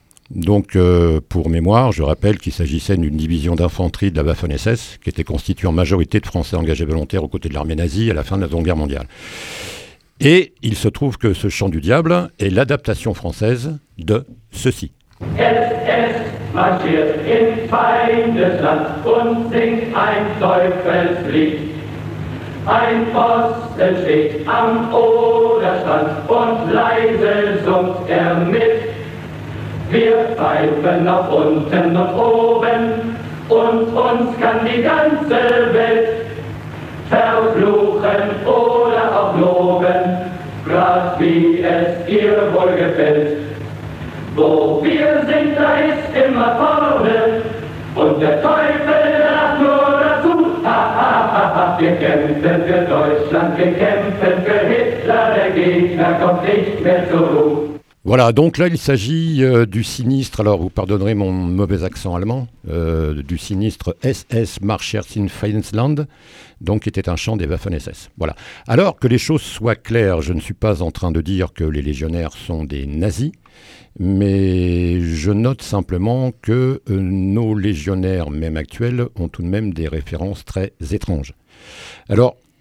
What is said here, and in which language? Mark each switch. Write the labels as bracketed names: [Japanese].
[French] Donc, pour mémoire, je rappelle qu'il s'agissait d'une division d'infanterie de la Waffen-SS, qui était constituée en majorité de Français engagés volontaires aux côtés de l'armée nazie à la fin de la Seconde Guerre mondiale. Et il se trouve que ce chant du diable est l'adaptation française de ceci. [German] SS marschiert in Feindesland und singt ein Teufelslied. Ein Posten steht am Oderstrand und leise summt er mit. Wir pfeifen nach unten, nach oben und uns kann die ganze Welt verfluchen oder auch loben, grad wie es ihr wohl gefällt. Wo wir sind, da ist immer vorne, und der Teufel lacht nur dazu, ha, ha, ha, ha. wir kämpfen für Deutschland, wir kämpfen für Hitler, der Gegner kommt nicht mehr zurück. [French] Voilà, donc là il s'agit du sinistre, alors vous pardonnerez mon mauvais accent allemand, du sinistre SS Marschers in Feindesland, donc qui était un chant des Waffen-SS. Voilà. Alors que les choses soient claires, je ne suis pas en train de dire que les légionnaires sont des nazis, mais je note simplement que nos légionnaires, même actuels, ont tout de même des références très étranges. Alors...